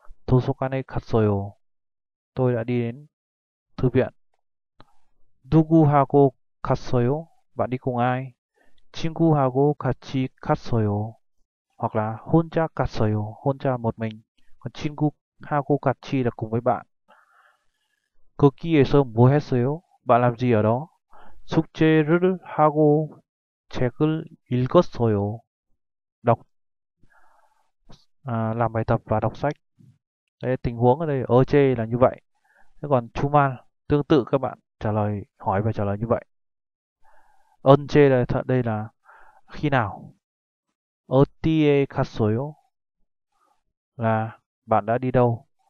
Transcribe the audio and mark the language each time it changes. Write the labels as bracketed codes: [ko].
[ko] 도서관에 갔어요. [vi] Tôi đã đi đến thư viện. [ko] 누구하고 갔어요? [vi] Bạn đi cùng ai? [ko] 친구하고 같이 갔어요. [vi] Hoặc là [ko] 혼자 갔어요. [vi] 혼자 một mình. Còn [ko] 친구하고 같이 [vi] là cùng với bạn. [ko] 거기에서 뭐 했어요? [vi] Bạn làm gì ở đó? [ko] 숙제를 하고 책을 읽었어요. [vi] Đọc làm bài tập và đọc sách. Đấy, tình huống ở đây chê là như vậy. Thế còn 주말 tương tự các bạn trả lời hỏi và trả lời như vậy. Ơn chê là thật đây là khi nào. [ko] 어디에 갔어요 [vi] là bạn đã đi đâu.